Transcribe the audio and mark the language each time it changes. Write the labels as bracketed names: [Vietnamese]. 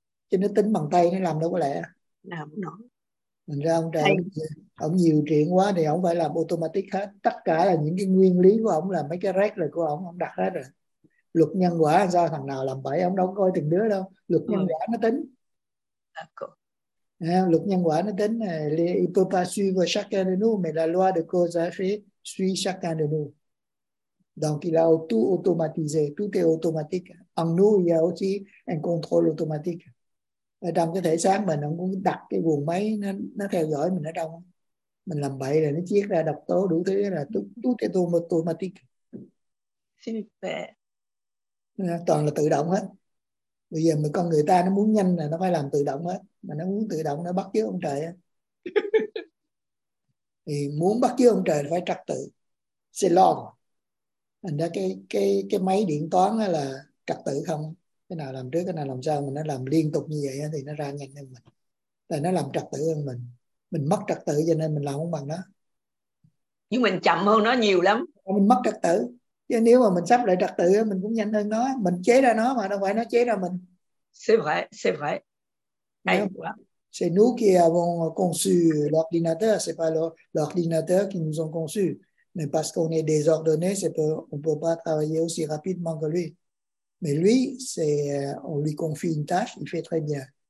[Vietnamese] Cho nó tính bằng tay, nó làm đâu có lẽ. Làm không nổi. Thành ra ông trời, ông nhiều chuyện quá thì ông phải làm automatic hết. Tất cả là những cái nguyên lý của ông, là mấy cái rác rồi của ông đặt hết rồi. Luật nhân quả do thằng nào làm bậy, ông đâu coi từng đứa đâu. Luật nhân quả nó tính. [French] D'accord. [Vietnamese] Luật nhân quả nó tính. [French] Il ne peut pas suivre chacun de nous, mais la loi de cause et effet suit chacun de nous. Donc il a tout automatisé, tout est automatique. En nous, il y a aussi un contrôle automatique. [Vietnamese] Ở trong cái thể xác mình, ông cũng đặt cái guồng máy, nó theo dõi mình ở trong. Mình làm bậy là nó chiết ra độc tố đủ thứ, là [French] tout est automatique. Super. [Vietnamese] Toàn là tự động hết. Bây giờ mà con người ta nó muốn nhanh là nó phải làm tự động hết. Mà nó muốn tự động nó bắt chước ông trời á. Thì muốn bắt chước ông trời phải trật tự. [French] C'est l'ordre. [Vietnamese] Thành ra cái máy điện toán là trật tự không. Cái nào làm trước, cái nào làm sau. Mà nó làm liên tục như vậy thì nó ra nhanh hơn mình. Là nó làm trật tự hơn mình. Mình mất trật tự cho nên mình làm không bằng nó. Nhưng mình chậm hơn nó nhiều lắm. Mình mất trật tự. Chứ nếu mà mình sắp lại trật tự mình cũng nhanh hơn nó. Mình chế ra nó mà, đâu phải nó chế ra mình. [French] C'est vrai, c'est vrai. [Vietnamese] Hay quá. [French] C'est nous qui avons conçu l'ordinateur, c'est pas l'ordinateur qui nous ont conçu. Mais parce qu'on est désordonné, on peut pas travailler aussi rapidement que lui. Mais lui, on lui confie une tâche, il fait très bien.